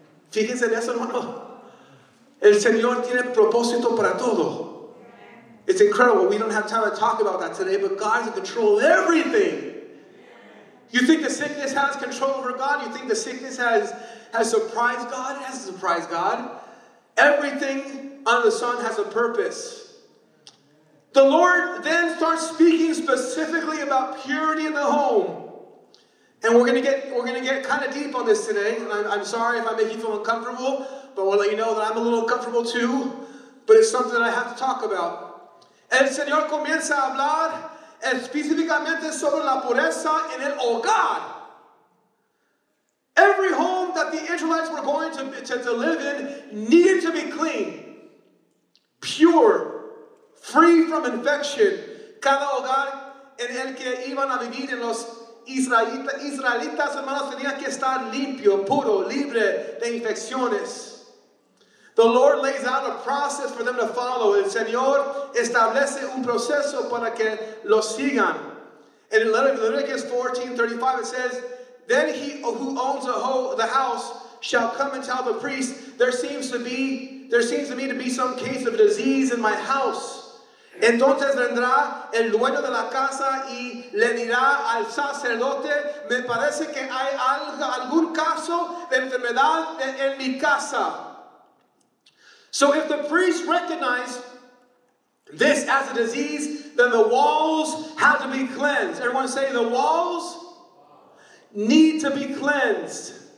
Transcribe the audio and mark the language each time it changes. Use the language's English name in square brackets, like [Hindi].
[Spanish] Fíjense en eso, hermano. El Señor tiene propósito para todo. [English] It's incredible. We don't have time to talk about that today, but God is in control of everything. You think the sickness has control over God? You think the sickness has surprised God? It hasn't surprised God. Everything under the sun has a purpose. The Lord then starts speaking specifically about purity in the home. And we're gonna get kind of deep on this today. And I'm sorry if I make you feel uncomfortable, but we'll let you know that I'm a little uncomfortable too. But it's something that I have to talk about. [Spanish] El Señor comienza a hablar específicamente sobre la pureza en el hogar. [English] Every home that the Israelites were going to live in needed to be clean, pure, free from infection. [Spanish] Cada hogar en el que iban a vivir en los Israelitas, hermanos, tenía que estar limpio, puro, libre de infecciones. [English] The Lord lays out a process for them to follow. [Spanish] El Señor establece un proceso para que lo sigan. [English] And in Leviticus 14:35, it says, then he who owns the house shall come and tell the priest, there seems to me to be some case of disease in my house. [Spanish] Entonces vendrá el dueño de la casa y le dirá al sacerdote, me parece que hay algún caso de enfermedad en mi casa. [English] So if the priest recognized this as a disease, then the walls have to be cleansed. Everyone say, the walls need to be cleansed.